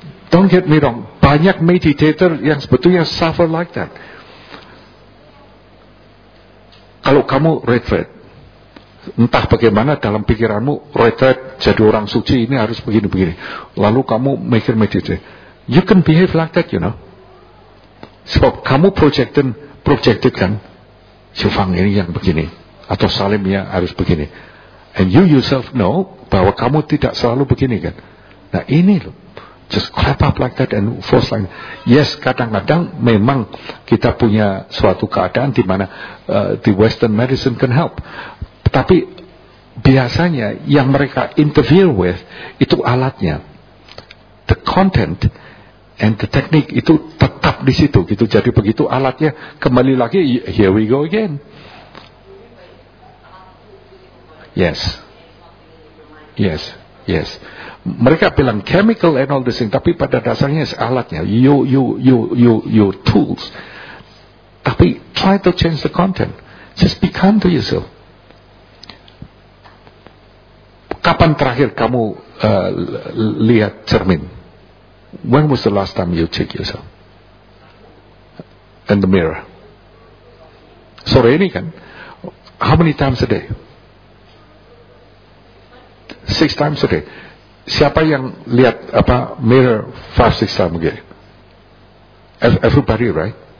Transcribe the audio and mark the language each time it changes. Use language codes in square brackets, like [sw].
[en] Don't get me wrong, [id] banyak meditator yang sebetulnya [en] suffer like that. [id] Kalau kamu retreat, entah bagaimana dalam pikiranmu, retreat jadi orang suci ini harus begini-begini. Lalu kamu mikir meditasi. [en] You can behave like that, you know. [id] Sebab kamu [en] projected [id] kan, Sufang ini yang begini, atau Salim yang harus begini. [en] And you yourself know [id] bahwa kamu tidak selalu begini kan. Nah ini loh, [en] just clap up like that and force like that. Yes, kadang-kadang memang kita punya suatu keadaan di mana the Western medicine can help. [id] Tapi biasanya yang mereka [en] interfere with [id] itu alatnya. [en] The content and the technique [id] itu tetap di situ. Gitu. Jadi begitu alatnya kembali lagi, [en] here we go again. Yes. Yes, yes. [id] Mereka bilang [en] chemical and all this thing, [id] tapi pada dasarnya [en] is [id] alatnya, [en] you tools. [id] Tapi [en] try to change the content. Just be kind to yourself. [id] Kapan terakhir kamu lihat cermin? [en] When was the last time you check yourself in the mirror? [id] Sore ini kan? [en] How many times a day? 6 times a day. [id] Siapa yang lihat apa [en] mirror 5-6 time again? Everybody, right?